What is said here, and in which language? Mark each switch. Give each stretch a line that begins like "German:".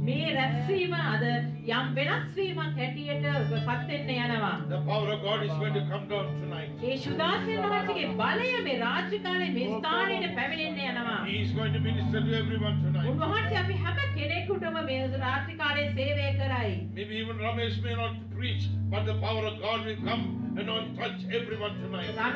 Sinhala: මේ රැස්වීම අද යම් වෙනස් වීමක් හැටියට පත් වෙන්න යනවා.
English: The power of God is going to come down tonight.
Sinhala: මේ සුදාත්මයන් වහන්සේගේ බලය මේ රාත්‍රී කාලයේ මේ ස්ථානයේ
English: He is going to minister to everyone tonight. Maybe even Ramesh may not preach, but the power of God will come and not touch everyone tonight.